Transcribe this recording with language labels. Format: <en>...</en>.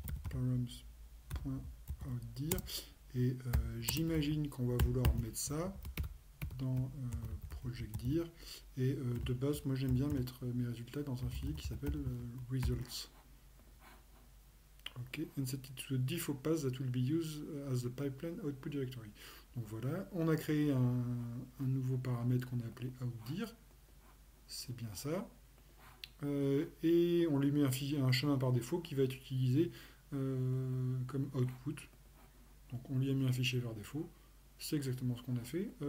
<fr>Params.outdir. Et j'imagine qu'on va vouloir mettre ça dans ProjectDir. Et de base, moi j'aime bien mettre mes résultats dans un fichier qui s'appelle Results. Okay.</fr> <en>And set it to the default path that will be used as the pipeline output directory.</en> <fr>Donc voilà, on a créé un nouveau paramètre qu'on a appelé outdir. C'est bien ça. Et on lui met un chemin par défaut qui va être utilisé comme output. Donc on lui a mis un fichier par défaut. C'est exactement ce qu'on a fait.</fr>